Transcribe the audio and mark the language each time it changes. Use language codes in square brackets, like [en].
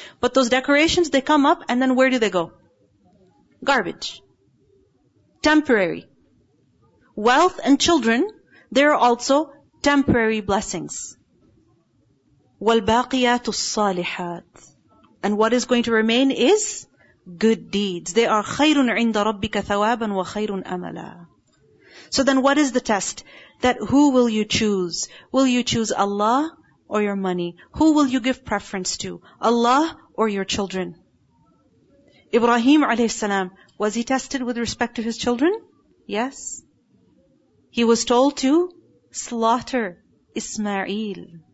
[en] But those decorations, they come up, and then where do they go? Garbage. Temporary. Wealth and children, they're also temporary blessings. [ar] وَالْبَاقِيَاتُ الصَّالِحَاتِ. [en] And what is going to remain is good deeds. They are [ar] خَيْرٌ عِنْدَ رَبِّكَ ثَوَابًا وَخَيْرٌ أَمَلًا. [en] So then what is the test? That who will you choose? Will you choose Allah or your money? Who will you give preference to? Allah or your children? Ibrahim alayhi salam, was he tested with respect to his children? Yes. He was told to slaughter Ismail.